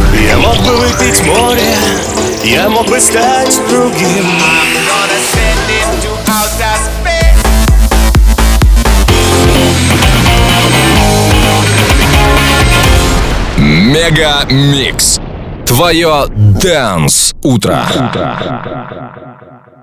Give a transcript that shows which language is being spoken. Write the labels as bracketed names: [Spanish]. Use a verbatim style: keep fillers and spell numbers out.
[Russian] Я мог бы выпить море, я мог бы стать другим. [English] I'm gonna send this to outer space. [Russian] Мега-микс. Твое Dance утро.